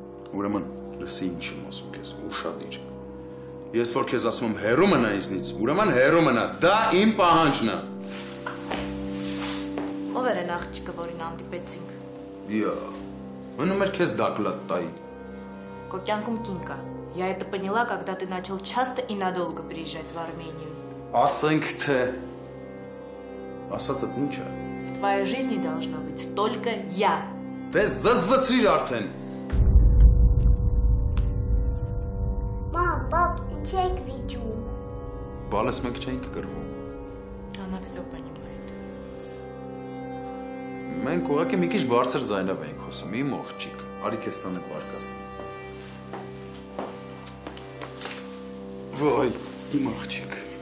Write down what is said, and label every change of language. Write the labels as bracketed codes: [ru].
[hy] Ուրեմն, լսի ինչ եմ ասում քեզ, ուշադիր։ Ես որ քեզ ասում եմ հեռու մնա ինձնից, ուրեմն հեռու մնա, դա իմ պահանջն է։ Ո՞վ էր այն աղջիկը, որին հանդիպեցինք։ Յա, մնում էր քեզ դակլատ տայի։ Քո կյանքում կին կա։ [ru] Я это поняла, когда ты начал часто и надолго приезжать в Армению. [hy] Ասենք թե ասածը ինչա։ [ru] В твоей жизни должна быть только я. [hy] Դե զզվծրիր արդեն։ [ru] Мам, пап, [hy] ինչ եք վիճում։ Բալես մենք չենք գրվում։ [ru] Она всё понимает. [hy] Մենք ուղղակի մի քիչ բարձր ձայնով ենք խոսում, իմ աղջիկ, արի քեզ տանը պարկաս։ Ոայ, իմ աղջիկ։